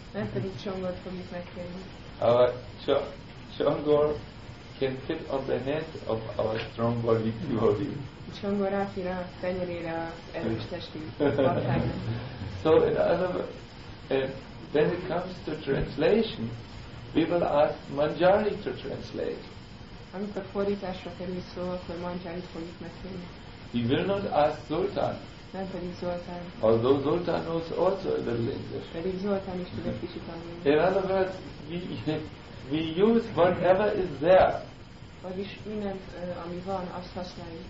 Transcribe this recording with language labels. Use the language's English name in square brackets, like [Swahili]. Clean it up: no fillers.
[Hungarian] Nem pedig Chongor fogjuk megkérni. [English] Our Chongor can fit on the head of our strong-bodied devotee. [Hungarian] Chongor ráfér a tenyerére az erős testű baktának. [English] So in other words, when it comes to translation, we will ask Manjari to translate. [Hungarian] Amikor fordításra kerül szó, akkor Manjari fogjuk megkérni. [English] We will not ask Zoltán. [Hungarian] Nem pedig Zoltán. [English] Although Zoltán knows also a little English. [Hungarian] Pedig Zoltán is tud egy kicsit angolul. [English] In other words, we use whatever is there. [Hungarian] Vagyis mindent, ami van, azt használjuk.